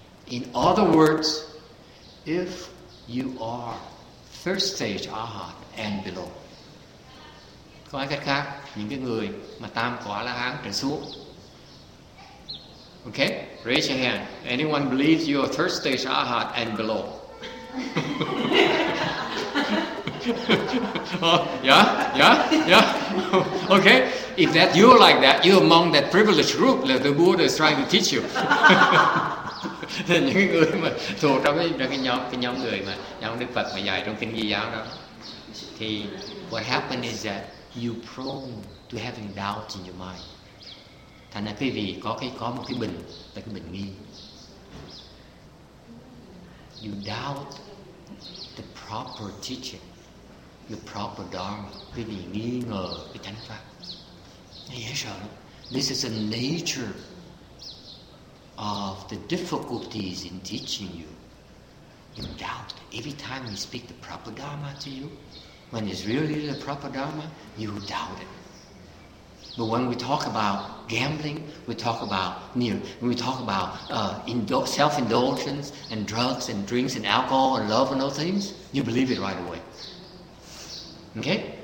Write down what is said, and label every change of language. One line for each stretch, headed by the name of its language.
English: In other words, if you are first stage arhat and below,
Vietnamese: có cách khác, những cái người mà tam quả la hán trở xuống.
English: Okay, raise your hand. Anyone believes you are third stage arhat and below? Yeah. Okay, if that you're like that, you're among that privileged group that the Buddha is trying to teach you.
Vietnamese: Những người mà thuộc trong cái nhóm Đức Phật mà dạy trong kinh Di Giáo đó, thì
English: what happened is that you prone to having doubt in your mind.
Vietnamese: Thành ra quý vị có một cái bình nghi.
English: You doubt the proper teaching, the proper dharma.
Vietnamese: Quý vị nghi ngờ cái chánh pháp. Dễ sợ.
English: This is the nature of the difficulties in teaching you. You doubt every time we speak the proper dharma to you. When it's really the proper dharma, you doubt it. But when we talk about gambling, we talk about self-indulgence and drugs and drinks and alcohol and love and those things, you believe it right away. Okay?